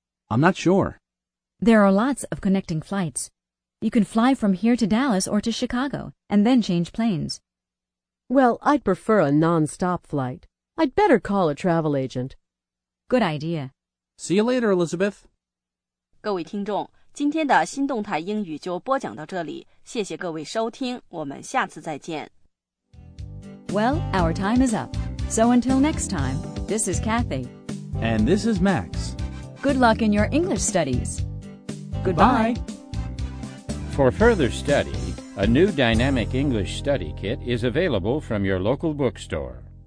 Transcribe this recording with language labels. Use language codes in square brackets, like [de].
[en] I'm not sure. There are lots of connecting flights. You can fly from here to Dallas or to Chicago, and then change planes. Well, I'd prefer a non-stop flight. I'd better call a travel agent. Good idea. See you later, Elizabeth. [zh] 各位听众。今天的新动态英语就播讲到这里，谢谢各位收听，我们下次再见。 [en] Well, our time is up. So until next time, this is Kathy. And this is Max. Good luck in your English studies. Goodbye. For further study, a new Dynamic English Study Kit is available from your local bookstore.